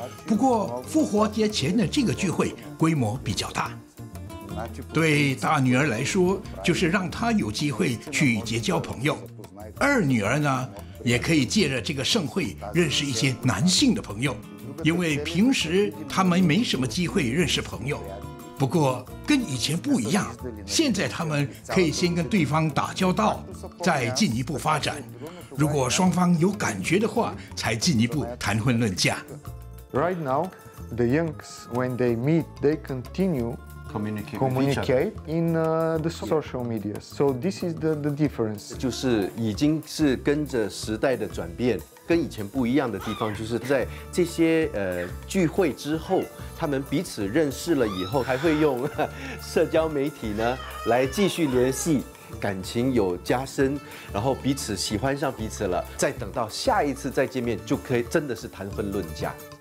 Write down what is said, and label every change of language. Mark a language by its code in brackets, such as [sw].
[zh] 不过复活节前的这个聚会规模比较大，对大女儿来说就是让她有机会去结交朋友，二女儿呢也可以借着这个盛会认识一些男性的朋友，因为平时他们没什么机会认识朋友。不过跟以前不一样，现在他们可以先跟对方打交道，再进一步发展，如果双方有感觉的话才进一步谈婚论嫁。 [en] Right now the youngs when they meet they continuecommunicate in the social media. So this is the difference. [zh] 就是已经是跟着时代的转变，跟以前不一样的地方，就是在这些聚会之后，他们彼此认识了以后，还会用社交媒体呢来继续联系，感情有加深，然后彼此喜欢上彼此了，再等到下一次再见面，就可以真的是谈婚论嫁。